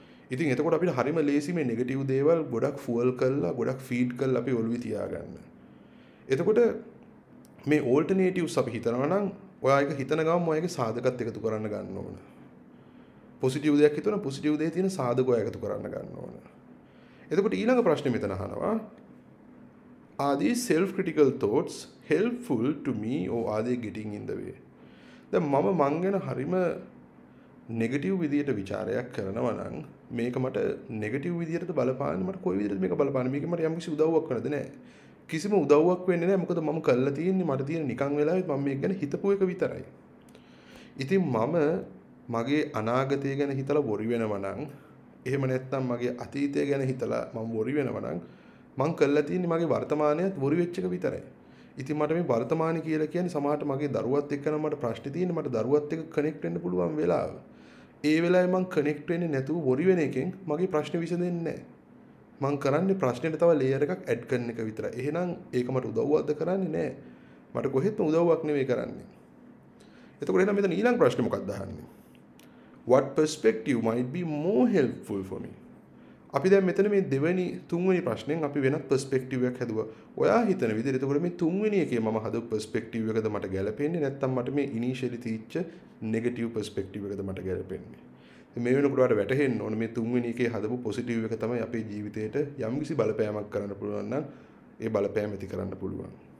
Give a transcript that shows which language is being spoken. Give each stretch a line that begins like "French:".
Sinhala: ඉතින් එතකොට අපිට හරිම ලේසි මේ නෙගටිව් දේවල් ගොඩක් ෆුවල් කරලා ගොඩක් ෆීඩ් කරලා අපේ ඔළුවේ තියාගන්න. එතකොට මේ ඕල්ටර්නේටිව්ස් අපි හිතනවා නම් ඔයා එක හිතන ගමන් ඔයා එක සාධකත් එකතු කරන්න ගන්න ඕන. පොසිටිව් දෙයක් හිතුවනම් පොසිටිව් දෙය තියෙන සාධකෝ එකතු කරන්න ගන්න ඕන. එතකොට ඊළඟ ප්‍රශ්නේ මෙතන අහනවා
English: Are these self-critical thoughts helpful to me or are they getting in the way?
Sinhala: දැන් මම මං ගැන හරිම නෙගටිව් විදියට ਵਿਚාරයක් කරනවා නම් මේක මට නෙගටිව් විදියටද බලපාන්නේ මට කොයි විදියටද මේක බලපාන්නේ මේක මට යම්කිසි උදව්වක් කරනද නැහැ. කිසිම උදව්වක් වෙන්නේ නැහැ මොකද මම කරලා තියෙන්නේ මට තියෙන නිකන් වෙලාවෙත් මම මේක ගැන හිතපුව එක විතරයි. ඉතින් මම මගේ අනාගතය ගැන හිතලා worry වෙනවා නම් එහෙම නැත්නම් මගේ අතීතය ගැන හිතලා මම worry වෙනවා නම් මං කරලා තියෙන්නේ මගේ වර්තමානයත් වරි වෙච්ච එක විතරයි. ඉතින් මට මේ වර්තමානේ කියලා කියන්නේ සමහරට මගේ දරුවත් එක්ක නම් මට ප්‍රශ්න තියෙන්නේ මට දරුවත් එක්ක කනෙක්ට් වෙන්න පුළුවන් වෙලාව. ඒ වෙලාවේ මං කනෙක්ට් වෙන්නේ නැතුව වරි වෙන එකෙන් මගේ ප්‍රශ්න විසඳෙන්නේ නැහැ. මං කරන්නේ ප්‍රශ්නෙට තව ලේයර් එකක් ඇඩ් කරන එක විතරයි. එහෙනම් ඒක මට උදව්වක්ද කරන්නේ නැහැ. මට කොහෙත්ම උදව්වක් නෙමෙයි කරන්නේ. එතකොට එහෙනම් මෙතන ඊළඟ ප්‍රශ්නේ මොකක්ද අහන්නේ?
English: What perspective might be more helpful for me?
Sinhala: අපි දැන් මෙතන මේ දෙවෙනි තුන්වෙනි ප්‍රශ්නෙන් අපි වෙනත් පර්ස්පෙක්ටිව් එකක් හදුවා. ඔයා හිතන විදිහට එතකොට මේ තුන්වෙනි එකේ මම හදපු පර්ස්පෙක්ටිව් එකද මට ගැළපෙන්නේ නැත්නම් මට මේ ඉනිෂියලි තීච්ච නෙගටිව් පර්ස්පෙක්ටිව් එකද මට ගැළපෙන්නේ. මේ වෙනකොට වැටහෙන්න ඕනේ මේ තුන්වෙනි එකේ හදපු පොසිටිව් එක තමයි අපේ ජීවිතේට යම්කිසි බලපෑමක් කරන්න පුළුවන් නම් ඒ බලපෑම ඇති කරන්න පුළුවන්.